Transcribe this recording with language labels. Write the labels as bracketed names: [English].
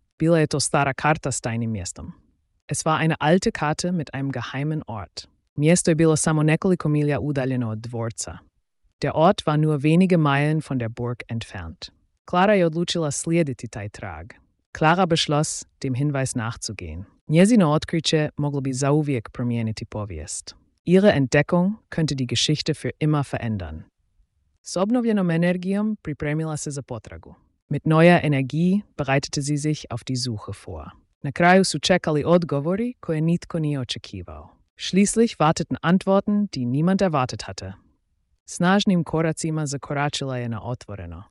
[Croatian] Bila je to stara karta s tajnim mjestom. [German] Es war eine alte Karte mit einem geheimen Ort. [Croatian] Mjesto je bilo samo nekoliko milja udaljeno od dvorca. [German] Der Ort war nur wenige Meilen von der Burg entfernt. [Croatian] Klara je odlučila slijediti taj trag. [German] Klara beschloss, dem Hinweis nachzugehen. [Croatian] Njezino otkriće moglo bi zauvijek promijeniti povijest. [German] Ihre Entdeckung könnte die Geschichte für immer verändern. [Croatian] S obnovljenom energijom pripremila se za potragu. [German] Mit neuer Energie bereitete sie sich auf die Suche vor. [Croatian] Na kraju su čekali odgovori koje nitko nije očekivao. [German] Schließlich warteten Antworten, die niemand erwartet hatte. [Croatian] Snažnim koracima zakoračila je na otvoreno.